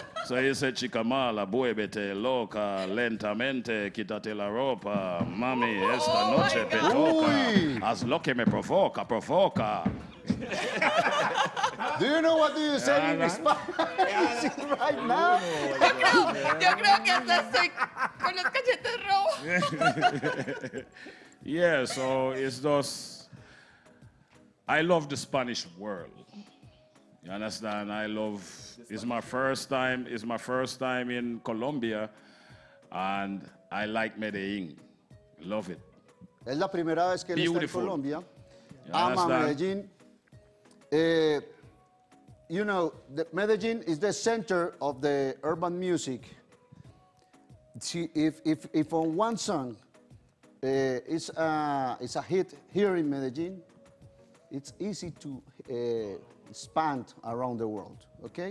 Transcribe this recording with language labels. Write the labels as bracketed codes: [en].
[en] So he said, [es] chica mala, buébete loca, lentamente, quítate la ropa. Mami, oh, esta noche te toca. Haz lo que me provoca, provoca. [en] Do you know what you said in Spanish right now? [es] Yo creo que hasta estoy con los cachetes rojos. [en] Yeah, so it's just... I love the Spanish world. You understand? I love... It's my first time in Colombia. And I like Medellín. Love it. [es] Es la primera vez que está en Colombia. Ama Medellín. [en] You know, Medellín is the center of the urban music. See, if on one song is a hit here in Medellín, it's easy to expand around the world, okay?